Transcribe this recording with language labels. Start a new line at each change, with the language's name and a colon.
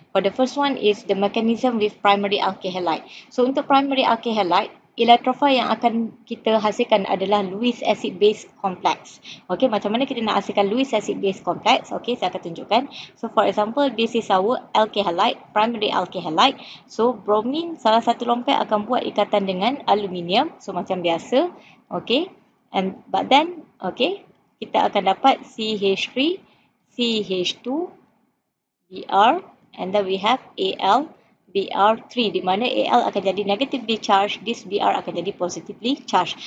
English: For the first one is the mechanism with primary alkyl halide.
Malay: So untuk primary alkyl halide, electrophile yang akan kita hasilkan adalah Lewis acid base complex. Okey, macam mana kita nak hasilkan Lewis acid base complex? Okey, saya akan tunjukkan.
English: So for example, this is our alkyl halide, primary alkyl halide.
Malay: So bromine salah satu lompat akan buat ikatan dengan aluminium. So macam biasa. Okey.
English: And but then,
Malay: okey, kita akan dapat CH3, CH2, Br,
English: and then we have
Malay: Al, Br3, di mana Al akan jadi
English: negatively charged,
Malay: this Br akan jadi
English: positively charged.